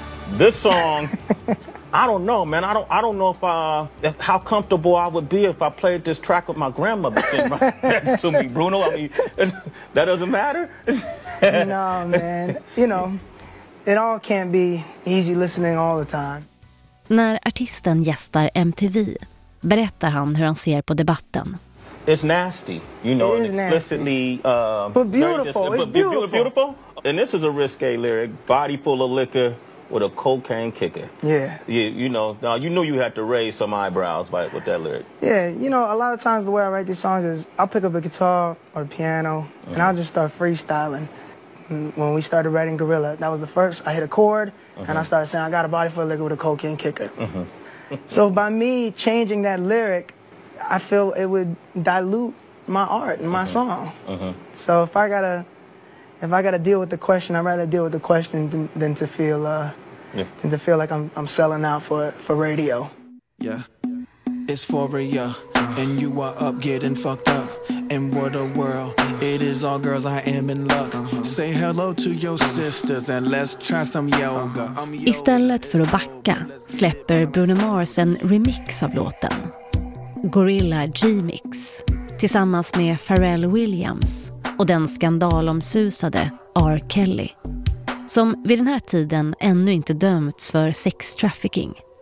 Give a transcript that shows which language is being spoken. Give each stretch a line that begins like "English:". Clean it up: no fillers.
English: This song, I don't know, man. I don't know if how comfortable I would be if I played this track with my grandmother sitting right next to me, Bruno. I mean, that doesn't matter. No, man. You know, it all can't be easy listening all the time.
Swedish: När artisten gästar MTV berättar han hur han ser på debatten.
English: It's nasty, you know, explicitly. But beautiful. Just, it's beautiful. Beautiful. And this is a risque lyric, body full of liquor. With a cocaine kicker. Yeah. You know, now you knew you had to raise some eyebrows with that lyric. Yeah, you know, a lot of times the way I write these songs is I'll pick up a guitar or a piano and I'll just start freestyling. When we started writing Gorilla, that was the first. I hit a chord and I started saying, I got a body for a liquor with a cocaine kicker. So by me changing that lyric, I feel it would dilute my art and my song. So if I got a... If I got to deal with the question, I'd rather deal with the question than to feel than to feel like I'm selling out for radio. Yeah. It's for ya and you are up getting fucked up. And what a world. It is all girls, I am in luck. Say hello to your sisters and let's try some yoga.
Swedish: Istället för att backa släpper Bruno Mars en remix av låten. Gorilla G-mix tillsammans med Pharrell Williams. Och den skandalomsusade R. Kelly, som vid den här tiden ännu inte dömts för sex trafficking.